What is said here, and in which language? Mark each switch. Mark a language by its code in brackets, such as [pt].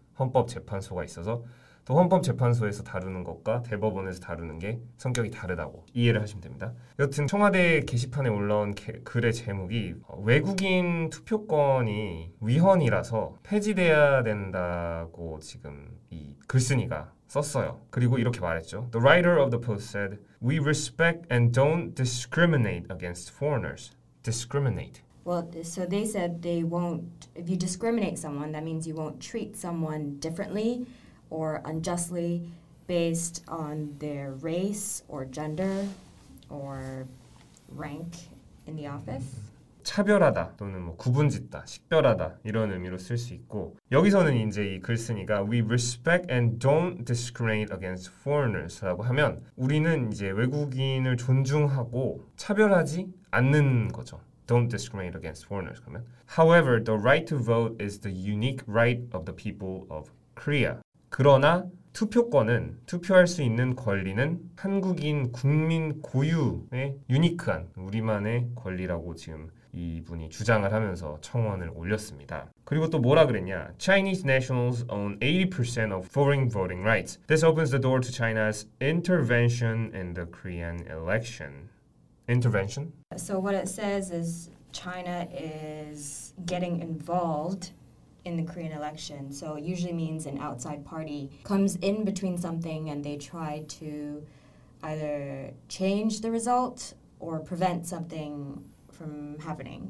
[ko] 헌법 재판소가 있어서 또 헌법재판소에서 다루는 것과 대법원에서 다루는 게 성격이 다르다고 이해를 하시면 됩니다. 여튼 청와대 게시판에 올라온 글의 제목이 외국인 투표권이 위헌이라서 폐지돼야 된다고 지금 이 글쓴이가 썼어요. 그리고 이렇게 말했죠. [en] The writer of the post said, We respect and don't discriminate against foreigners. Discriminate. Well, so they said they won't, if you discriminate someone, that means you won't treat someone differently or unjustly based on their race or gender or rank in the office. [ko] 차별하다 또는 뭐 구분짓다, 식별하다 이런 의미로 쓸 수 있고 여기서는 이제 이 글쓴이가 [en] We respect and don't discriminate against foreigners [ko] 라고 하면 우리는 이제 외국인을 존중하고 차별하지 않는 거죠. [en] Don't discriminate against foreigners [ko] 그러면 [en] However, the right to vote is the unique right of the people of Korea. [ko] 그러나 투표권은 투표할 수 있는 권리는 한국인 국민 고유의 유니크한 우리만의 권리라고 지금 이분이 주장을 하면서 청원을 올렸습니다. 그리고 또 뭐라 그랬냐? [en] Chinese nationals own 80% of foreign voting rights. This opens the door to China's intervention in the Korean election. Intervention? So what it says is China is getting involved in the Korean election. So it usually means an outside party comes in between something and they try to either change the result or prevent something from happening.